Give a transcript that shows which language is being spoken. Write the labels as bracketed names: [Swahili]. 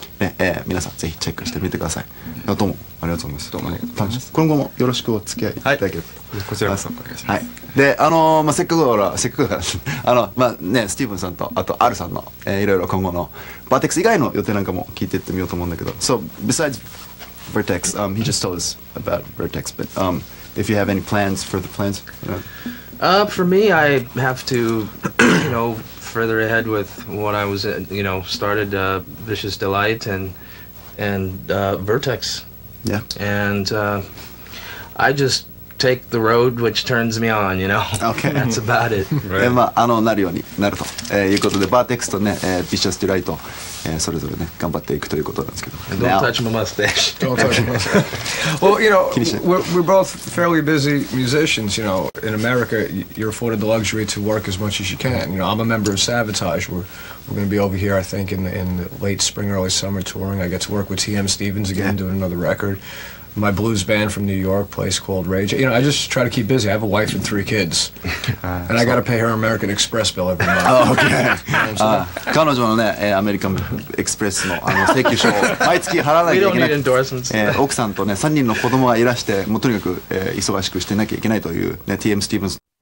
[Japanese] ね、皆さんぜひチェックしてみてください。どうもありがとうございます。どうもありがとうございます。今後もよろしくお付き合いいただければ、はい、こちらこそお願いします、はい。で、まあ、せっかくだからあの、まあね、スティーブンさんとあとアルさんの、いろいろ今後のバーテックス以外の予定なんかも聞いていってみようと思うんだけど。 [English] So besides Vertex, he just told us about Vertex, but if you have any plans for the plans, you know? For me, I have to, you know, further ahead with what I was, you know, started, Vicious Delight and Vertex. Yeah. And I just take the road which turns me on, you know. Okay. That's about it. Right. [Japanese] まあ、なるようになると、いうことで、バーテックスとね、ビシャスティライト、それぞれね、頑張っていくということなんですけど。 [English] Don't touch my mustache. Don't touch my mustache. Well, you know, we're both fairly busy musicians, you know. In America, you're afforded the luxury to work as much as you can. You know, I'm a member of Savatage. We're going to be over here, I think, in the late spring, early summer touring. I get to work with T.M. Stevens again, doing another record. My blues band from New York, place called Rage. You know, I just try to keep busy. I have a wife and three kids. And I got to pay her American Express bill every month. Oh, okay. [Japanese] 彼女のね、アメリカンエクスプレスの、請求書を毎月払わなきゃいけない。奥さんとね、3人の子供がいらして、もうとにかく、忙しくしてなきゃいけないという、ね、TM Stevens